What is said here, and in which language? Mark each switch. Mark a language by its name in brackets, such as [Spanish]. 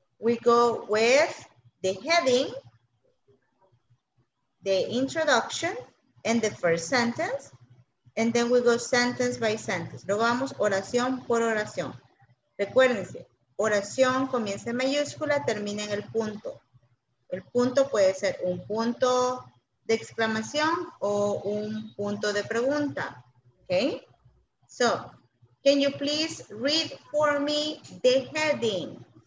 [English] We go with the heading, the introduction and the first sentence, and then we go sentence by sentence. [Spanish] Luego vamos oración por oración. Recuérdense, oración comienza en mayúscula, termina en el punto. El punto puede ser un punto de exclamación o un punto de pregunta. [English] Okay? So, can you please read for me the heading?